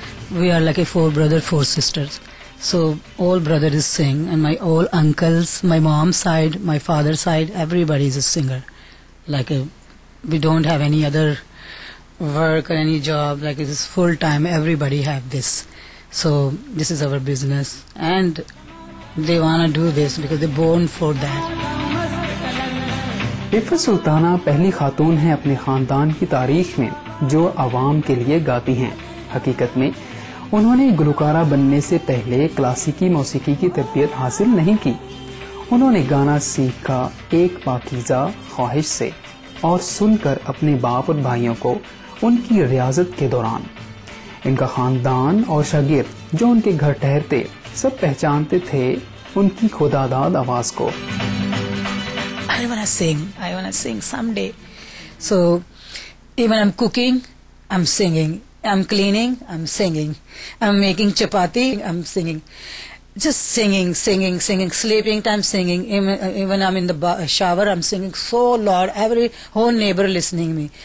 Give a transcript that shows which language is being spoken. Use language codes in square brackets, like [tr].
[en] We are like a four brother, four sisters. So all brother is sing and my all uncles, my mom's side, my father's side, everybody is a singer. Like a, we don't have any other work or any job, like it is full time, everybody have this. So this is our business and they wanna do this because they're born for that. [ur] پیفا سلطانہ پہلی خاتون ہیں اپنے خاندان کی تاریخ میں جو عوام کے لیے گاتی ہیں. حقیقت میں انہوں نے گلوکارہ بننے سے پہلے کلاسیکی موسیقی کی تربیت حاصل نہیں کی. انہوں نے گانا سیکھا ایک پاکیزہ خواہش سے اور سن کر اپنے باپ اور بھائیوں کو ان کی ریاضت کے دوران. ان کا خاندان اور شاگرد جو ان کے گھر ٹھہرتے سب پہچانتے تھے ان کی خدا داد آواز کو. [en] I wanna sing someday. So even I'm cooking, I'm singing. I'm cleaning, I'm singing. I'm making chapati, I'm singing. Just singing, sleeping time singing. Even I'm in the shower, I'm singing so loud, every whole neighbor listening me.